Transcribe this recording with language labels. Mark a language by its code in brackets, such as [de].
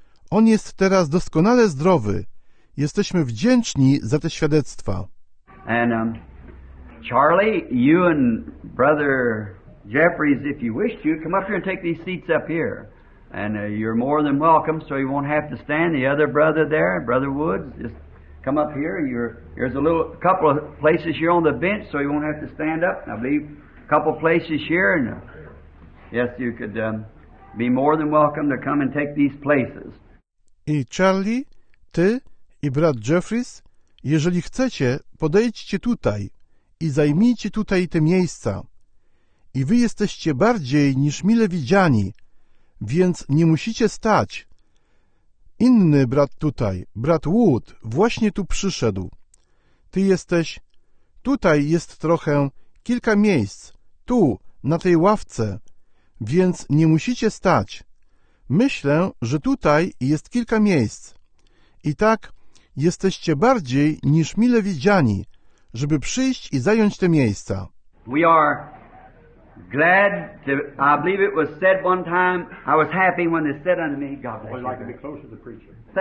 [pl] On jest teraz doskonale zdrowy. Jesteśmy wdzięczni za te świadectwa. [en] And Charlie, you and brother Jeffries, if you wish to, come up here and take these seats up here. And you're more than welcome, so you won't have to stand. The other brother there, brother Woods, just come up here. There's a little couple of places here on the bench, so you won't have to stand up. I believe a couple places here. And yes, you could be more than welcome to come and take these places. [pl] I Charlie, ty i brat Jeffries, jeżeli chcecie, podejdźcie tutaj i zajmijcie tutaj te miejsca. I wy jesteście bardziej niż mile widziani, więc nie musicie stać. Inny brat tutaj, brat Wood, właśnie tu przyszedł. Ty jesteś... Tutaj jest trochę kilka miejsc, tu, na tej ławce, więc nie musicie stać. Myślę, że tutaj jest kilka miejsc. I tak... Jesteście bardziej niż mile widziani, żeby przyjść i zająć te miejsca. [en] We are glad to, I believe it was said one time, I was happy when they said unto me, God bless you. I'd like to be closer to the preacher.